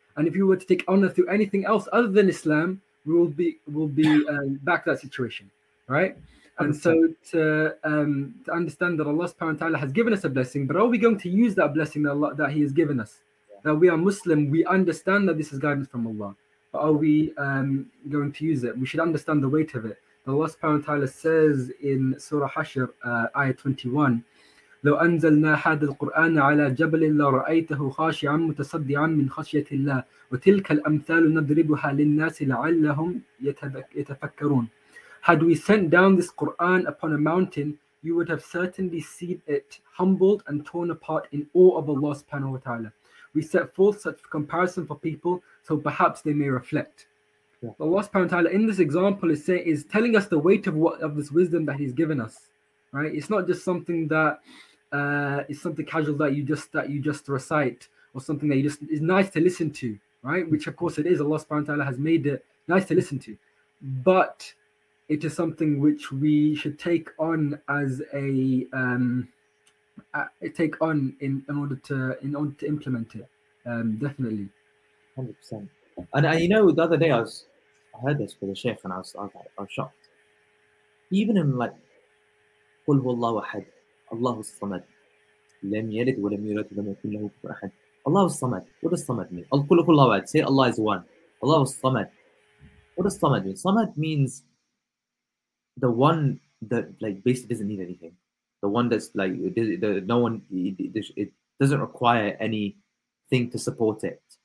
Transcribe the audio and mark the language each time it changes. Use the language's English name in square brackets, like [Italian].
[English] And if you were to take honor through anything else other than Islam, we'll be back to that situation, right? And so to understand that Allah subhanahu wa ta'ala has given us a blessing, but are we going to use that blessing that Allah, that He has given us? Yeah. That we are Muslim, we understand that this is guidance from Allah, but are we going to use it? We should understand the weight of it. Allah subhanahu wa ta'ala says in Surah Hashr, ayah 21, [Arabic] لو أنزلنا هذا القرآن على جبل لرأيته خاشعا متصدعا من خشية الله وتلك الأمثال نضربها للناس لعلهم يتفكرون. [English] Had we sent down this Quran upon a mountain, you would have certainly seen it humbled and torn apart in awe of Allah subhanahu wa ta'ala. We set forth such comparison for people, so perhaps they may reflect. Yeah. Allah subhanahu wa ta'ala in this example is telling us the weight of this wisdom that He's given us. Right? It's not just something that is something casual that you just recite, or something that you just is nice to listen to, right? Which of course it is. Allah subhanahu wa ta'ala has made it nice to listen to. But it is something which we should take on as in order to implement it, definitely. 100%. And you know, the other day I heard this with the Sheikh, and I was shocked. Even in like, [Arabic] قُلْ هُوَ اللَّهُ أَحَدٌ اللَّهُ الصَّمَدُ لَمْ يَلِدْ وَلَمْ يُولَدْ وَلَمْ يَكُنْ لَهُ كُفُوًا أَحَدٌ. [English] Allah is Samad. What does Samad mean? [Arabic] قُلْ هُوَ اللَّهُ أَحَدٌ. [English] Say Allah is one. Allah is Samad. What does Samad mean? Samad means the one that like basically doesn't need anything, the one that's like it doesn't require anything to support it.